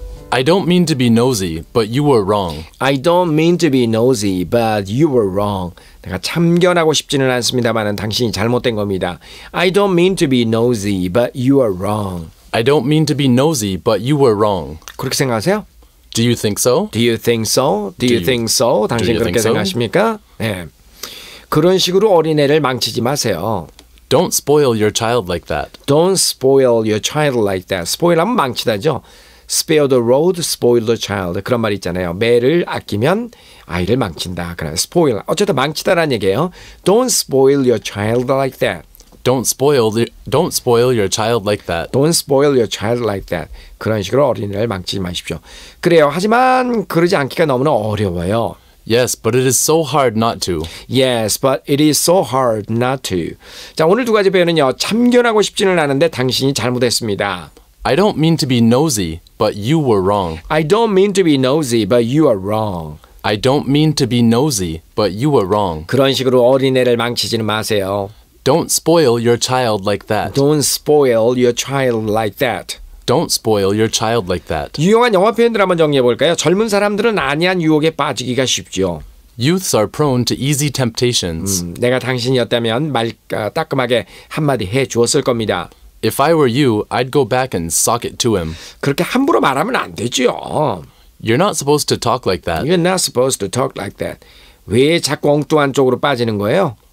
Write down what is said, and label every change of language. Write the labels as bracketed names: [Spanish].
[English] I don't mean to be nosy, but you were wrong. I don't mean to be nosy, but you were wrong. [Korean] 내가 참견하고 싶지는 않습니다만은 당신이 잘못된 겁니다. [English] I don't mean to be nosy, but you are wrong. I don't mean to be nosy, but you were wrong. [Korean] 그렇게 생각하세요? [English] Do you think so? Do you think so? Do you think so? [Korean] 당신 그렇게 [English] think so? [Korean] 생각하십니까? 네. 그런 식으로 어린애를 망치지 마세요. [English] Don't spoil your child like that. Don't spoil your child like that. Spoil [Korean] 하면 망치다죠. [English] spare the road, spoil the child. [Korean] 그런 말 있잖아요. 매를 아끼면 아이를 망친다. 그래, spoil. 어쨌든 망치다라는 얘기예요. [English] Don't spoil your child like that. Don't spoil your child like that. Don't spoil your child like that. [Korean] 그런 식으로 어린애를 망치지 마십시오. 그래요. 하지만 그러지 않기가 너무나 어려워요. [English] Yes, but it is so hard not to. Yes, but it is so hard not to. [Korean] 자, 오늘 두 가지 표현은요. 참견하고 싶지는 않은데 당신이 잘못했습니다. [English] I don't mean to be nosy, but you were wrong. I don't mean to be nosy, but you are wrong. I don't mean to be nosy, but you were wrong. [Korean] 그런 식으로 어린애를 망치지는 마세요. [English] Don't spoil your child like that. Don't spoil your child like that. Don't spoil your child like that. [Korean] 유용한 영어 표현들 한번 정리해 볼까요? 젊은 사람들은 아니한 유혹에 빠지기가 쉽죠. [English] Youths are prone to easy temptations. [Korean] 내가 당신이었다면 따끔하게 한마디 해 주었을 겁니다. [English] If I were you, I'd go back and sock it to him. [Korean] 그렇게 함부로 말하면 안 되죠. [English] You're not supposed to talk like that. You're not supposed to talk like that. [Korean] 왜 자꾸 엉뚱한 쪽으로 빠지는 거예요?